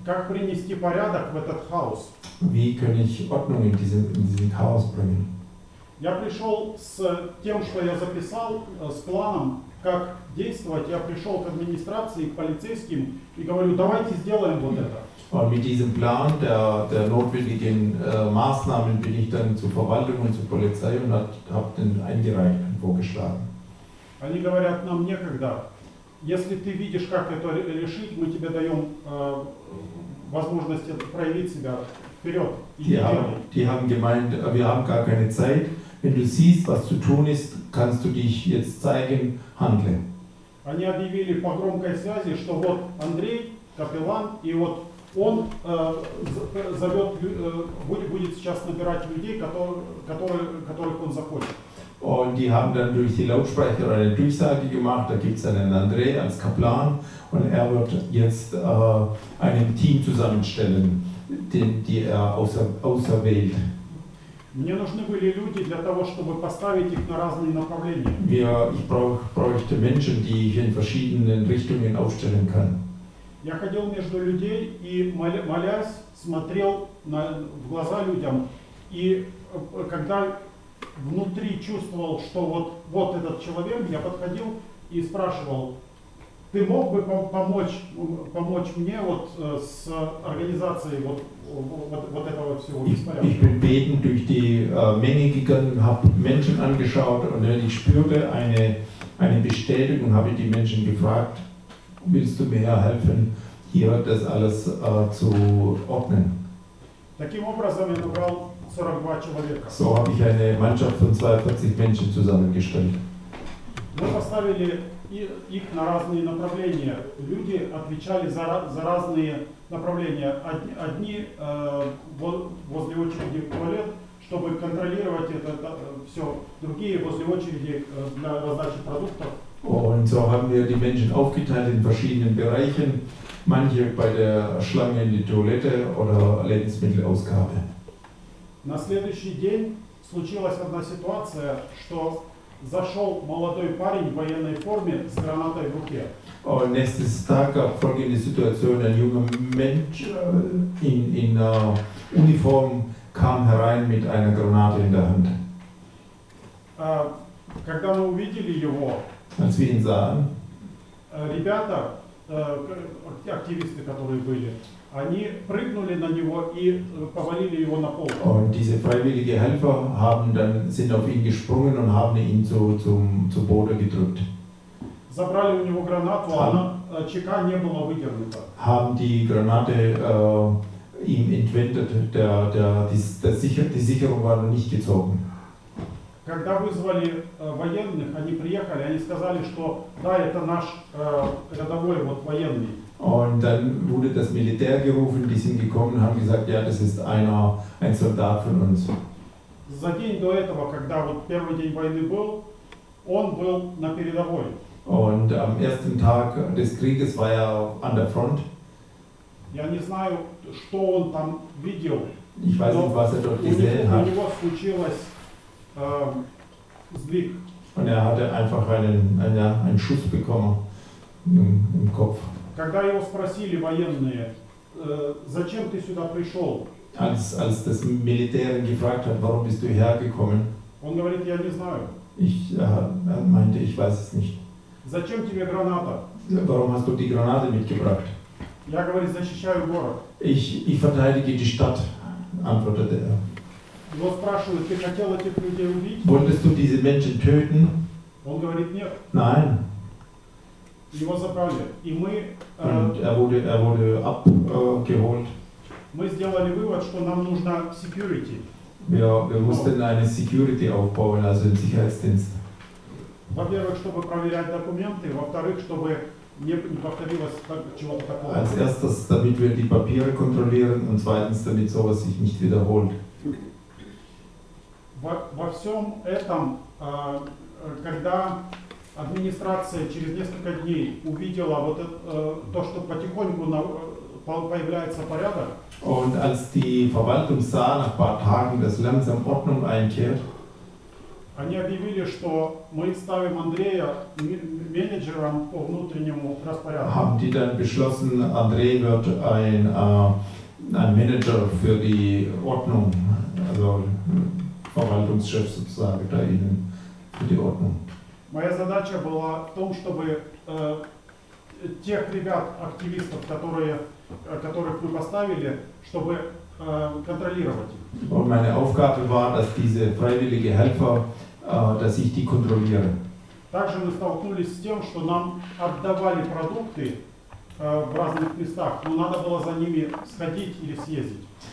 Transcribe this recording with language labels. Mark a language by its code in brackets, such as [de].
[ru] Как принести порядок в этот хаос? [de] Wie kann ich Ordnung in diesen Chaos bringen? [ru] Я пришел с тем, что я записал, с планом, как действовать. Я пришел к администрации, к полицейским и говорю, давайте сделаем вот это. [de] Und mit diesem Plan der notwendigen Maßnahmen bin ich dann zur Verwaltung und zur Polizei und habe den eingereicht und vorgeschlagen. [ru] Они говорят, нам некогда. Если ты видишь, как это решить, мы тебе даем возможность проявить себя вперед. [de] Die haben gemeint, wir haben gar keine Zeit. Wenn du siehst, was zu tun ist, kannst du dich jetzt zeigen, handle. [ru] Они объявили по громкой связи, что вот Андрей, капеллан, и вот он зовет, будет сейчас набирать людей, которых он захочет. [de] Und die haben dann durch die Lautsprecher eine Durchsage gemacht, da gibt es einen André als Kaplan und er wird jetzt einen Team zusammenstellen, die er auserwählt. [ru] Мне нужны были люди для того, чтобы поставить их на разные направления. [de] Ich bräuchte Menschen, die ich in verschiedenen Richtungen aufstellen kann. [ru] Я ходил между людей и молясь, смотрел в глаза людям. И когда внутри чувствовал, что вот этот человек, я подходил и спрашивал: ты мог бы помочь мне вот с организацией вот этого всего беспорядка? [de] Ich bin betend durch die Menge gegangen, habe Menschen angeschaut und wenn ich spürte eine Bestätigung, habe ich die Menschen gefragt: willst du mir helfen, hier das alles zu ordnen? [ru] Таким образом я набрал 42 человека. [de] So habe ich eine Mannschaft von 42 Menschen zusammengestellt. [ru] Мы поставили их на разные направления. Люди отвечали за разные направления. Одни возле очереди в туалет, чтобы контролировать это все. Другие возле очереди для раздачи продуктов. [de] Und so haben wir die Menschen aufgeteilt in verschiedenen Bereichen. Manche bei der Schlange in die Toilette oder Lebensmittelausgabe. [ru] На следующий день случилась одна ситуация, что зашел молодой парень в военной форме с гранатой в руке. [de] Am nächsten Tag gab es folgende Situation: ein junger Mensch in Uniform kam herein mit einer Granate in der Hand. [ru] Когда мы увидели его, [de] als wir ihn sahen, [ru] ребята, активисты, которые были, они прыгнули на него и повалили его на пол. [de] Und diese freiwillige Helfer sind auf ihn gesprungen und haben ihn zu Boden gedrückt. [ru] Забрали у него гранату, она ЧК не было выдернуто. [de] Haben die Granate ihm entwendet, die Sicherung war nicht gezogen. [ru] Когда вызвали военных, они приехали, они сказали, что да, это наш рядовой вот военный. [de] Und dann wurde das Militär gerufen, die sind gekommen, haben gesagt, ja, das ist ein Soldat von uns. [ru] За день до этого, когда вот первый день войны был, он был на передовой. [de] Und am ersten Tag des Krieges war an der Front. [ru] Я не знаю, что он там видел. [de] Ich weiß nicht, was dort gesehen hat. [ru] У него случилось [de] Sieg. Und er hatte einfach einen Schuss bekommen im Kopf. [ru] Когда его спросили военные, зачем ты сюда пришел? [de] Als das Militär ihn gefragt hat, warum bist du hergekommen? [ru] Он говорит, я не знаю. [de] Er meinte, ich weiß es nicht. [ru] Зачем тебе граната? [de] Warum hast du die Granate mitgebracht? [ru] Я говорю, защищаю город. [de] Ich verteidige die Stadt, antwortete er. [ru] Его спрашивают, ты хотел этих людей убить? [de] Wolltest du diese Menschen töten? [ru] Он говорит, нет. [de] Nein. [ru] Его забрали. И мы... [de] Und er wurde abgeholt. [ru] Мы сделали вывод, что нам нужна security. [de] Wir mussten eine security aufbauen, also einen Sicherheitsdienst. [ru] Во-первых, чтобы проверять документы, во-вторых, чтобы не повторилось чего-то такого. [de] Als erstes, damit wir die Papiere kontrollieren und zweitens, damit sowas sich nicht wiederholt. [ru] Во всем этом, когда администрация через несколько дней увидела вот то, что потихоньку появляется порядок. [de] Und als die Verwaltung sah nach ein paar Tagen, dass langsam Ordnung einkehrt. [ru] Они объявили, что мы ставим Андрея менеджером по внутреннему распорядку. [de] Haben die dann beschlossen, Andrej wird ein Manager für die Ordnung, also Verwaltungschef sozusagen da ihnen für die Ordnung. [ru] Моя задача была в том, чтобы тех ребят, активистов, которых мы поставили, чтобы контролировать их. [de] Und meine Aufgabe war, dass diese freiwillige Helfer, dass ich die kontrolliere. [ru] Также мы столкнулись с тем, что нам отдавали продукты в разных местах, но надо было за ними сходить или съездить.